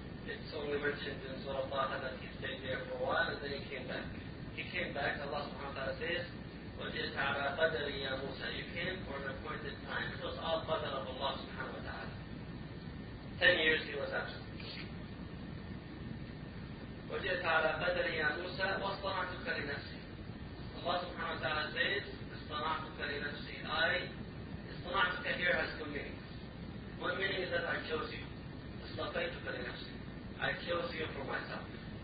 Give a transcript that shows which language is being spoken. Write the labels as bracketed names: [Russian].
[English] It's only mentioned in Surah Taha that he stayed there for a while, and then he came back. He came back, Allah subhanahu wa ta'ala says, [Arabic] وَجِئْتَ عَلَى قَدْرِ يَا مُوسَى [English] You came for an appointed time. It was all qadr of Allah subhanahu wa ta'ala. 10 years he was absent. [Arabic] وَجِئْتَ عَلَى قَدْرِ يَا مُوسَى وَاصْطَنَعْتُكَ لِنَفْسِي [English] Allah subhanahu wa ta'ala says, [Arabic] اصْطَنَعْتُكَ لِنَفْسِي اصْطَنَعْتُكَ [English] here has two meanings. One meaning is that I chose you. [Arabic] اصْطَفَيْتُكَ لِنَفْسِي [English] I chose you for myself.